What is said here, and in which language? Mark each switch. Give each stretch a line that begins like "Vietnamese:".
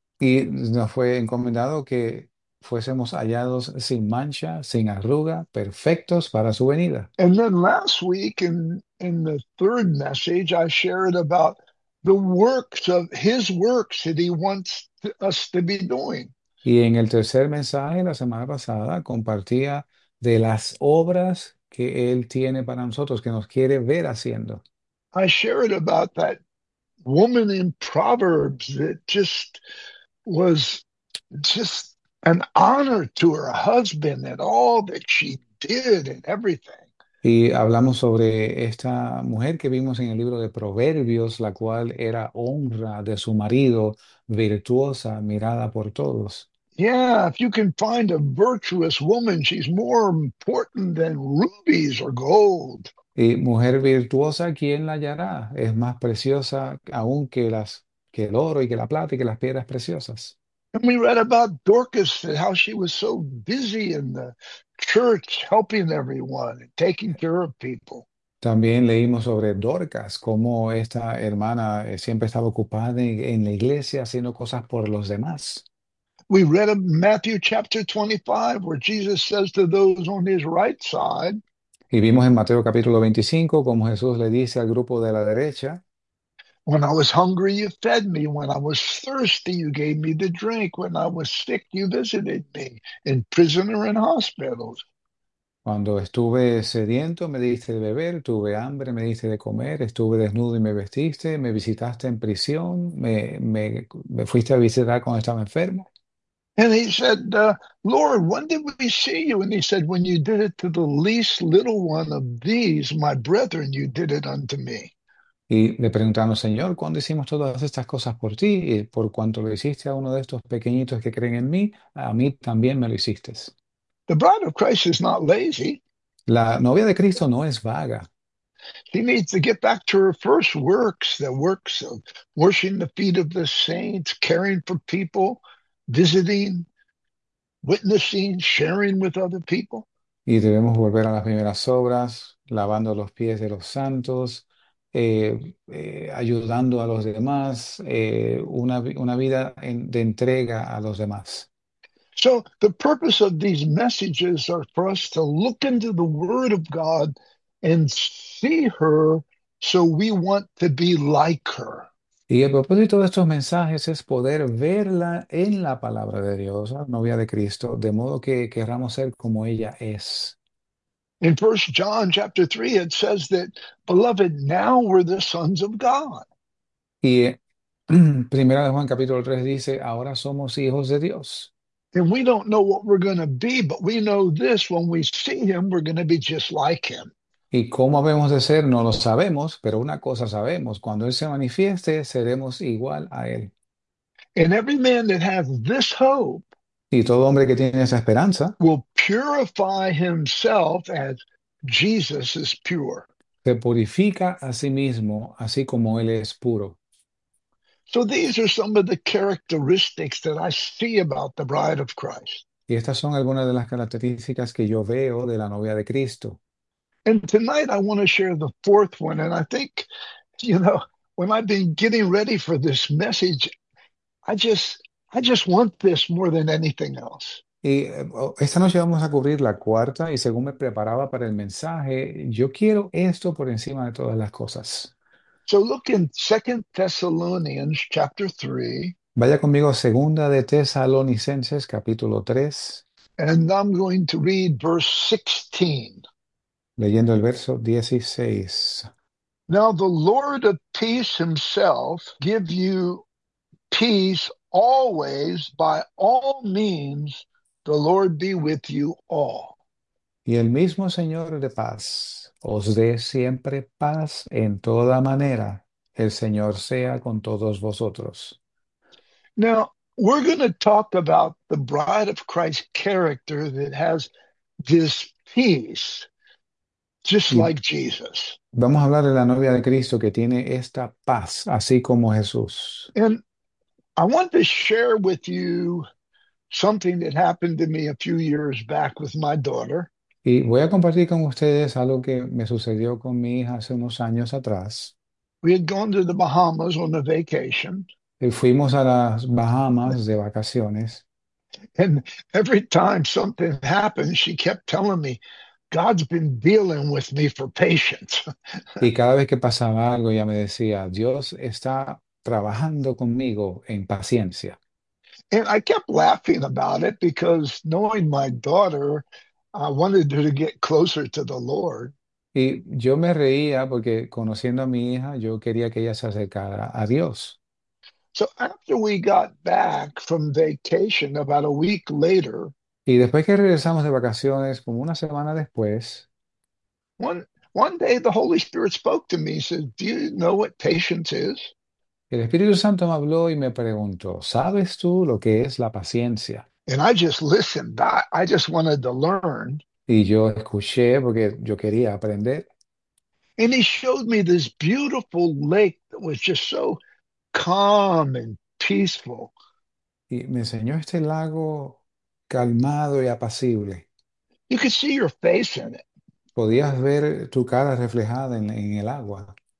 Spanish: Y nos fue encomendado que fuésemos hallados sin mancha, sin arruga, perfectos para su venida.
English: And then last week in the third message, I shared about the works of his works that he wants us to be doing.
Spanish: Y en el tercer mensaje, la semana pasada, compartía de las obras que él tiene para nosotros, que nos quiere ver haciendo.
English: I shared about that woman in Proverbs that just was just an honor to her husband and all that she did and everything.
Spanish: Y hablamos sobre esta mujer que vimos en el libro de Proverbios, la cual era honra de su marido, virtuosa, mirada por todos.
English: Yeah, if you can find a virtuous woman, she's more important than rubies or gold.
Spanish: Y mujer virtuosa, ¿quién la hallará? Es más preciosa aún que las que el oro y que la plata y que las piedras preciosas.
English: And we read about Dorcas and how she was so busy in the church, helping everyone and taking care of people.
Spanish: También leímos sobre Dorcas, cómo esta hermana siempre estaba ocupada en la iglesia haciendo cosas por los demás.
English: We read of Matthew chapter 25, where Jesus says to those on his right side,
Spanish: Y vimos en Mateo capítulo 25 cómo Jesús le dice al grupo de la derecha.
English: when I was hungry, you fed me. When I was thirsty, you gave me the drink. When I was sick, you visited me in prison or in hospitals.
Spanish: Cuando estuve sediento, me diste de beber, tuve hambre, me diste de comer, estuve desnudo y me vestiste, me visitaste en prisión, me fuiste a visitar cuando estaba enfermo.
English: And he said, Lord, when did we see you? And he said, when you did it to the least little one of these, my brethren, you did it unto me.
Spanish: Y le preguntaron, Señor, ¿cuándo hicimos todas estas cosas por ti? Y por cuanto lo hiciste a uno de estos pequeñitos que creen en mí, a mí también me lo hiciste.
English: The bride of Christ is not lazy.
Spanish: La novia de Cristo no es vaga.
English: She needs to get back to her first works, the works of washing the feet of the saints, caring for people, visiting, witnessing, sharing with other people.
Spanish: Y debemos volver a las primeras obras, lavando los pies de los santos, ayudando a los demás, una vida de entrega a los demás.
English: So the purpose of these messages are for us to look into the Word of God and see her so we want to be like her.
Spanish: Y el propósito de estos mensajes es poder verla en la palabra de Dios, la novia de Cristo, de modo que queramos ser como ella es.
English: In 1 John chapter 3, it says that, beloved, now we're the sons of God.
Spanish: Y Primera de Juan capítulo 3 dice, ahora somos hijos de Dios.
English: And we don't know what we're going to be, but we know this: when we see him, we're going to be just like him.
Spanish: Y cómo habemos de ser, no lo sabemos, pero una cosa sabemos, cuando Él se manifieste, seremos igual a Él.
English: And every man that has this hope
Spanish: Y todo hombre que tiene esa esperanza
English: will purify himself as Jesus is pure.
Spanish: se purifica a sí mismo, así como él es puro.
English: So these are some of the characteristics that I see about the bride of Christ.
Spanish: Y estas son algunas de las características que yo veo de la novia de Cristo.
English: And tonight I want to share the fourth one. And I think, when I've been getting ready for this message, I just want this more than anything else.
Spanish: Y esta noche vamos a cubrir la cuarta, y según me preparaba para el mensaje, yo quiero esto por encima de todas las cosas.
English: So look in 2 Thessalonians chapter 3.
Spanish: Vaya conmigo, segunda de Tesalonicenses, capítulo 3,
English: And I'm going to read verse 16.
Spanish: leyendo el verso 16.
English: Now the Lord of peace himself give you peace always by all means. The Lord be with you all.
Spanish: Y el mismo Señor de paz os dé siempre paz en toda manera. El Señor sea con todos vosotros.
English: Now, we're going to talk about the bride of Christ character that has this peace, just
Spanish: Y
English: like Jesus.
Spanish: vamos a hablar de la novia de Cristo que tiene esta paz, así como Jesús.
English: And I want to share with you something that happened to me a few years back with my daughter.
Spanish: Y voy a compartir con ustedes algo que me sucedió con mi hija hace unos años atrás.
English: We had gone to the Bahamas on a vacation.
Spanish: Y fuimos a las Bahamas de vacaciones.
English: And every time something happened, she kept telling me, God's been dealing with me for patience.
Spanish: Y cada vez que pasaba algo, ella me decía, Dios está trabajando conmigo en paciencia.
English: And I kept laughing about it because knowing my daughter, I wanted her to get closer to the Lord.
Spanish: Y yo me reía porque conociendo a mi hija, yo quería que ella se acercara a Dios.
English: So after we got back from vacation, about a week later,
Spanish: Y después que regresamos de vacaciones, como una semana después,
English: one day the Holy Spirit spoke to me, said, "Do you know what patience is?"
Spanish: el Espíritu Santo me habló y me preguntó, ¿sabes tú lo que es la paciencia?
English: And I just listened. I just wanted to learn.
Spanish: Y yo escuché porque yo quería aprender.
English: And he showed me this beautiful lake that was just so calm and peaceful.
Spanish: Y me enseñó este lago calmado y apacible.
English: You could see your face in it.
Spanish: Podías ver tu cara reflejada en el agua.